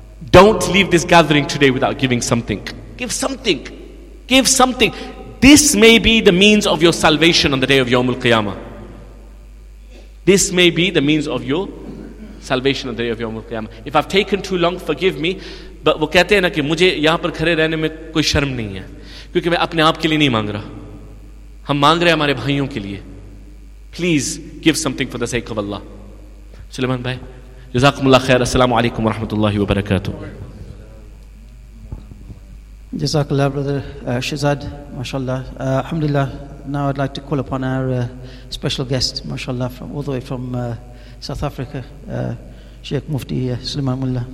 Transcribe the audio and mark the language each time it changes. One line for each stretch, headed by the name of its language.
English: Don't leave this gathering today without giving something. Give something. Give something. This may be the means of your salvation on the day of Yawmul Qiyamah. This may be the means of your salvation on the day of Yawmul Qiyamah. If I've taken too long, forgive me.
Urdu: But وہ کہتے ہے نا کی مجھے یہاں پر کھڑے رہنے میں کوئی شرم نہیں ہے. کیونکہ میں اپنے آپ کے لیے نہیں مانگ رہا. ہم مانگ رہے ہیں ہمارے بھائیوں کے لیے.
English: Please give something for the sake of Allah. Suleiman Bhai, Jazakumullah khair. Assalamu alaikum wa rahmatullahi wa barakatuh. JazakAllah, Brother Shahzad, MashaAllah. Alhamdulillah, now I'd like to call upon our special guest, MashaAllah, from all the way from South Africa, Sheikh Mufti Suleiman Mullah.